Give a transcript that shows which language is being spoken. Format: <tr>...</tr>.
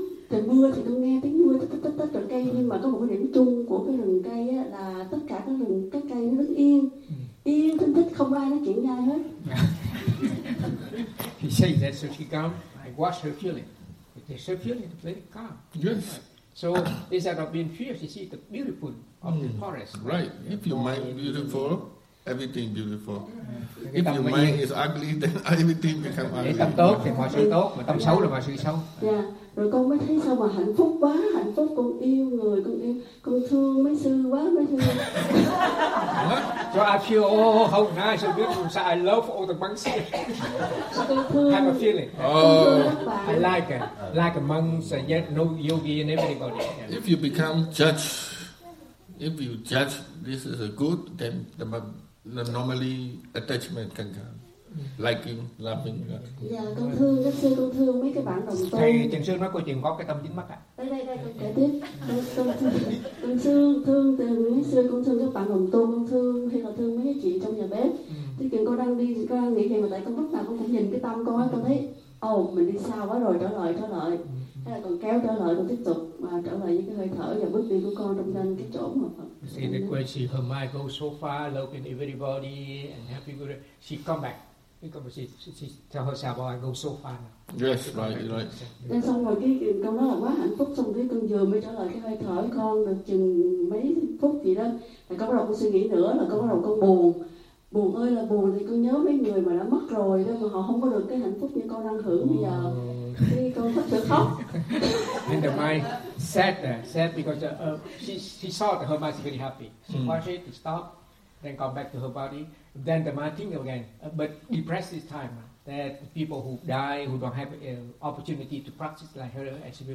<vi>Trời mưa thì tôi nghe tiếng mưa tất tất tất rừng cây, nhưng mà có một cái điểm chung của cái rừng cây á, là tất cả các rừng các cây nó rất yên yên tĩnh thích, không ai nói chuyện nhau hết.</vi> <en>He says that so she calm. I watch her feeling. It's her feeling very calm. Yes. So instead of being fierce, you see the beautiful of the forest. Right. Yeah. If your mind beautiful, everything beautiful. Yeah. If your mind is ugly, then everything become ugly.</en> <vi>Tâm tốt thì mọi sự tốt, mà tâm xấu là mọi sự xấu.</vi> <en>Yeah.</en> <vi>Rồi con mới thấy sao mà hạnh phúc quá, hạnh phúc, con yêu người, con yêu, con thương mấy sư quá, mấy sư.</vi> <en>So I feel, oh, how nice, how beautiful, so I love all the monks. I have a feeling. Oh. I like a monks, and yet no yogi and everybody. If you become judge, if you judge this is a good, then the normally attachment can come. Liking, loving.</en> <vi>Dạ, con thương các sư, con thương mấy cái bạn đồng tu. Thầy Trần Sương nói câu chuyện có cái tâm dính mắc à? Đây, con kể tiếp. Con thương mấy sư, con thương các bạn đồng tu, con thương hay là thương mấy chị trong nhà bếp. Thế kiện con đang đi, con đang nghĩ vậy mà tại con lúc nào con cũng nhìn cái tâm con ấy, con thấy, ồ, mình đi xa quá rồi, trở lại. Thế là con kéo trở lại, con tiếp tục mà trở lại với cái hơi thở và bước đi của con trong danh cái chỗ mà Phật.</vi> <en>See, the way she, her mind goes so far, loving everybody and happy, she come back. She tell herself, oh, I go so far now. Yes, right.</en> <vi>Then xong rồi cái con nói là quá hạnh phúc, xong cái con vừa mới trở lại cái hơi thở con được chừng mấy phút gì đó, là con bắt đầu con suy nghĩ nữa, là con bắt đầu con buồn. Buồn ơi là buồn, thì con nhớ mấy người mà đã mất rồi đó, mà họ không có được cái hạnh phúc như con đang hưởng bây giờ. Thì con thích được khóc.</vi> <en>And the mind sad because she saw that her mind is very happy. She watched it, stop, then come back to her body. Then the mind thinks again, but depressed this time, that people who die, who don't have an opportunity to practice like her, actually</en>